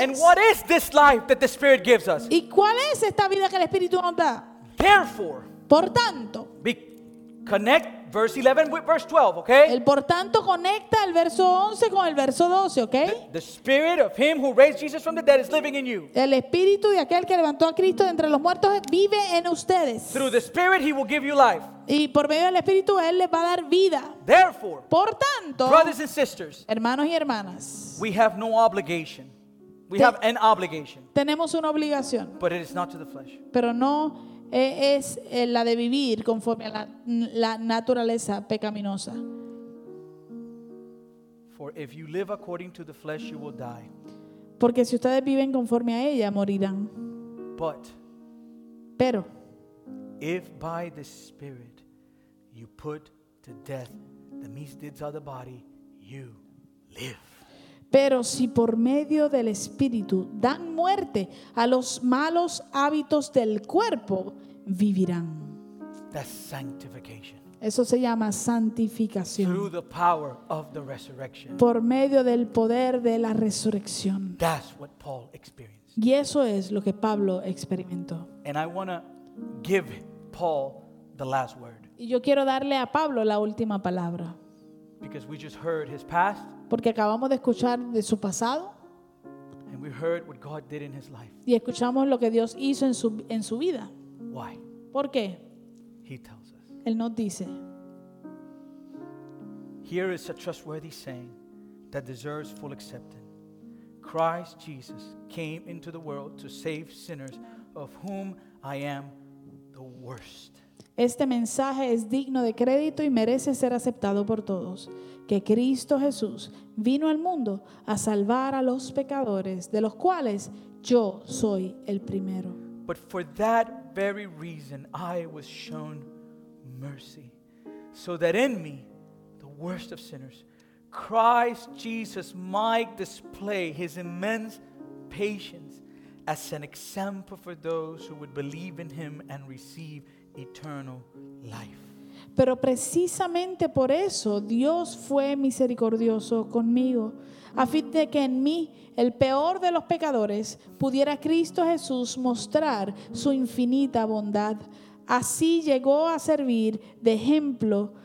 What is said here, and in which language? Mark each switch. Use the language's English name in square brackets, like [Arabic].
[English] And what is this life that the Spirit gives us? [Spanish] ¿Y cuál es esta vida que el Espíritu nos da? [English] Therefore, [Spanish] por tanto, [English] connect verse 11 with verse 12, okay? [Spanish] El por tanto conecta el verso 11 con el verso 12, okay? [English] The Spirit of him who raised Jesus from the dead is living in you. [Spanish] El Espíritu de aquel que levantó a Cristo de entre los muertos vive en ustedes. [English] Through the Spirit he will give you life. [Spanish] Y por medio del Espíritu él les va a dar vida. [English] Therefore, [Spanish] por tanto, [English] brothers and sisters, [Spanish] hermanos y hermanas, [English] we have no obligation. We have an obligation. [Spanish] Tenemos una obligación. [English] But it is not to the flesh. [Spanish] Pero no es la de vivir conforme a la naturaleza pecaminosa. [English] For if you live according to the flesh, you will die. [Spanish] Porque si ustedes viven conforme a ella, morirán. [English] But, [Spanish] pero, [English] if by the Spirit you put to death the misdeeds of the body, you live. [Spanish] Pero si por medio del Espíritu dan muerte a los malos hábitos del cuerpo, vivirán. [English] That's sanctification. [Spanish] Eso se llama santificación. [English] Through the power of the resurrection. [Spanish] Por medio del poder de la resurrección. [English] That's what Paul experienced. [Spanish] Y eso es lo que Pablo experimentó. [English] And I want to give Paul the last word. [Spanish] Y yo quiero darle a Pablo la última palabra. [English] Because we just heard his past. [Spanish] Porque acabamos de escuchar de su pasado. [English] And we heard what God did in his life. [Spanish] Y escuchamos lo que Dios hizo en su vida. [English] Why? [Spanish] ¿Por qué? [English] He tells us. [Spanish] Él nos dice. [English] Here is a trustworthy saying that deserves full acceptance. Christ Jesus came into the world to save sinners, of whom I am the worst. [Spanish] Este mensaje es digno de crédito y merece ser aceptado por todos. Que Cristo Jesús vino al mundo a salvar a los pecadores, de los cuales yo soy el primero. [English] But for that very reason I was shown mercy, so that in me, the worst of sinners, Christ Jesus might display his immense patience as an example for those who would believe in him and receive eternal life. [Spanish] Pero precisamente por eso Dios fue misericordioso conmigo, a fin de que en mí, el peor de los pecadores, pudiera Cristo Jesús mostrar su infinita bondad. Así llegó a servir de ejemplo